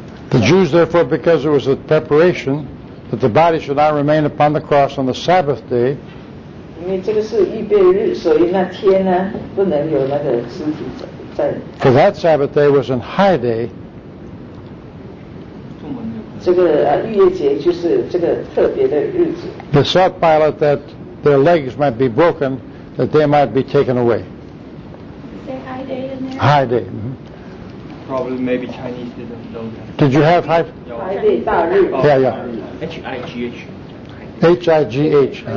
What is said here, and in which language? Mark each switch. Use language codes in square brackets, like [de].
[en] The Jews, therefore, because it was a preparation that the body should not remain upon the cross on the Sabbath day, [zh] 因为这个是预备日，所以那天呢，不能有那个尸体在。 [en] For that Sabbath day was a high day. [zh] 这个逾越节就是这个特别的日子。 [en] Besought Pilate that their legs might be broken, that they might be taken away. Say high day in there. High day. Probably maybe Chinese didn't know that. Did you have high? High day 大日。 Yeah, yeah. H-I-G-H. H-I-G-H.